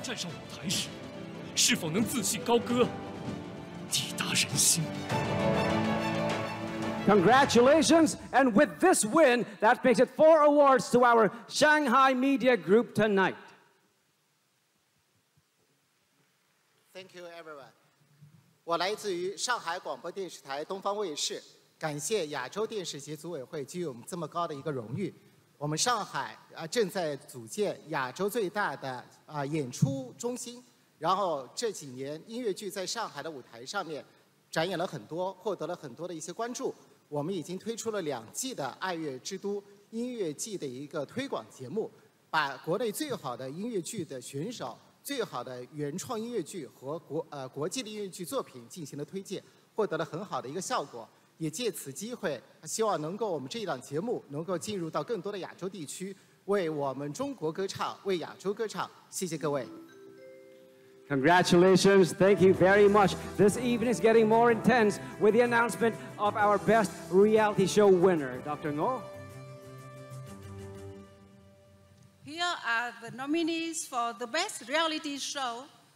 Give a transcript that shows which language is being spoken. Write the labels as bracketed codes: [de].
[zh] 站上舞台时，是否能自信高歌，抵达人心？ [en] Congratulations, and with this win, that makes it 4 awards to our Shanghai Media Group tonight. Thank you, everyone. [zh] 我来自于上海广播电视台东方卫视，感谢亚洲电视节组委会给予我们这么高的一个荣誉。我们上海正在组建亚洲最大的演出中心，然后这几年音乐剧在上海的舞台上面展演了很多，获得了很多的一些关注。我们已经推出了两季的爱乐之都音乐季的一个推广节目，把国内最好的音乐剧的选手、最好的原创音乐剧和国际的音乐剧作品进行了推介，获得了很好的一个效果。也借此机会，希望能够我们这一档节目能够进入到更多的亚洲地区，为我们中国歌唱，为亚洲歌唱。谢谢各位。 [en] Congratulations, thank you very much. This evening is getting more intense with the announcement of our best reality show winner, Dr. Ngo. Here are the nominees for the best reality show.